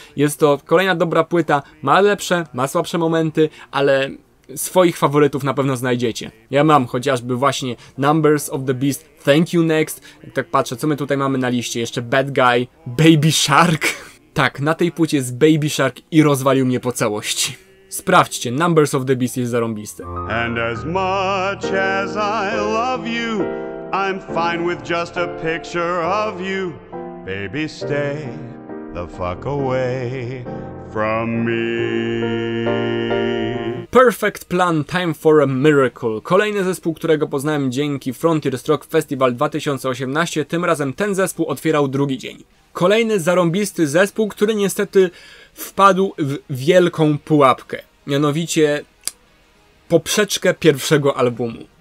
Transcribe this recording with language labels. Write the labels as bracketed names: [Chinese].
[Polish] Jest to kolejna dobra płyta, ma lepsze, ma słabsze momenty, ale swoich faworytów na pewno znajdziecie. Ja mam chociażby właśnie Numbers of the Beast, Thank You Next, jak tak patrzę, co my tutaj mamy na liście, jeszcze Bad Guy, Baby Shark. Tak, na tej płycie jest Baby Shark i rozwalił mnie po całości. Sprawdźcie, Numbers of the Beast jest zarąbiste. [English] And as much as I love you, I'm fine with just a picture of you. Baby, stay the fuck away from me. Perfect Plan, Time for a Miracle. [Polish] Kolejny zespół, którego poznałem dzięki Frontier Stroke Festival 2018. Tym razem ten zespół otwierał drugi dzień. Kolejny zarąbisty zespół, który niestety wpadł w wielką pułapkę. Mianowicie poprzeczkę pierwszego albumu.